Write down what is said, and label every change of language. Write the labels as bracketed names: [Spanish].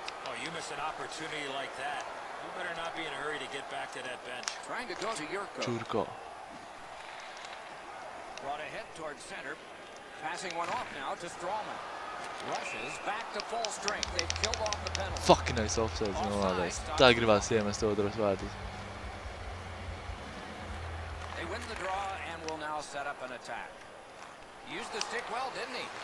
[English] Oh, you miss an opportunity like that. You better not be in a hurry to get back to that bench. Trying to go to Jurko. Jurko. Brought ahead towards center. Passing one off now to Strawman. Rushes back to full strength. They've killed off the penalty. Fucking nice offside. [Latvian] No, tā gribas iemest otros vārtus. [English] They win the draw and will now set up an attack. Used the stick well, didn't he?